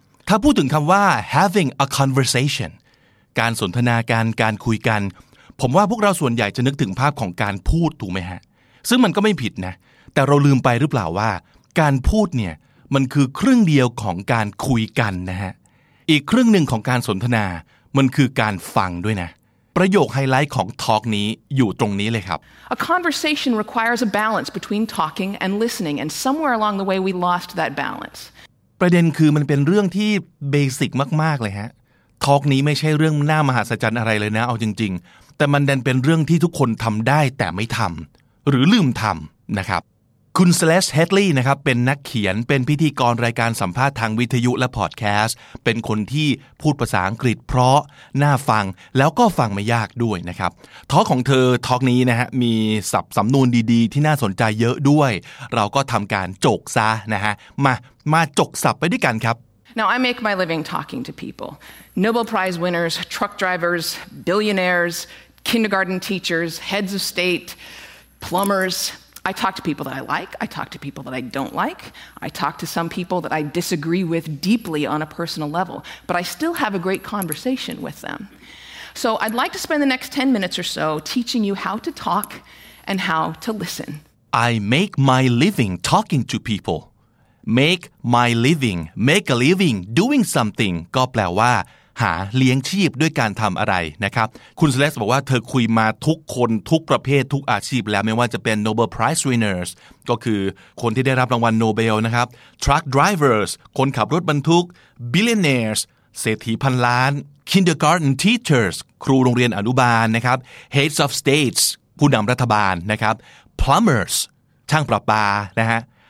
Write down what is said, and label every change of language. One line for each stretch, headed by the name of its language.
Thai: ถ้าพูดถึงคำว่า
English: having a conversation
Thai: การสนทนาการคุยกันผมว่าพวกเราส่วนใหญ่จะนึกถึงภาพของการพูดถูกไหมฮะซึ่งมันก็ไม่ผิดนะแต่เราลืมไปหรือเปล่าว่าการพูดเนี่ยมันคือครึ่งเดียวของการคุยกันนะฮะอีกครึ่งหนึ่งของการสนทนามันคือการฟังด้วยนะประโยคไฮไลท์ของ talk นี้อยู่ตรงนี้เลยครับ
English: a conversation requires a balance between talking and listening and somewhere along the way we lost that balance
Thai: ประเด็นคือมันเป็นเรื่องที่เบสิกมากๆเลยฮะทอล์กนี้ไม่ใช่เรื่องหน้ามหัศจรรย์อะไรเลยนะเอาจริงๆแต่มันดันเป็นเรื่องที่ทุกคนทำได้แต่ไม่ทำหรือลืมทำนะครับ คุณ Celeste Headlee นะครับเป็นนักเขียนเป็นพิธีกรรายการสัมภาษณ์ทางวิทยุและพอดแคสต์เป็นคนที่พูดภาษาอังกฤษเพราะน่าฟังแล้วก็ฟังไม่ยากด้วยนะครับทอล์กของเธอทอล์กนี้นะฮะมีศัพท์สำนวนดีๆที่น่าสนใจเยอะด้วยเราก็ทำการจกซะนะฮะมาจกศัพท์ไปด้วยกันครับ
English: Now I make my living talking to people. Nobel Prize winners, truck drivers, billionaires, kindergarten teachers, heads of state, plumbers,I talk to people that I like. I talk to people that I don't like. I talk to some people that I disagree with deeply on a personal level, but I still have a great conversation with them. So I'd like to spend the next 10 minutes or so teaching you how to talk and how to listen. I make my living talking to people. Make my living, make a living doing something
Thai: ก็แปลว่าหาเลี้ยงชีพด้วยการทำอะไรนะครับคุณเซเลสบอกว่าเธอคุยมาทุกคนทุกประเภททุกอาชีพแล้วไม่ว่าจะเป็น Nobel Prize Winners ก็คือคนที่ได้รับรางวัลโนเบลนะครับ Truck Drivers คนขับรถบรรทุก Billionaires เศรษฐีพันล้าน Kindergarten Teachers ครูโรงเรียนอนุบาลนะครับ Heads of States ผู้นำรัฐบาลนะครับ Plumbers ช่างประปานะฮะ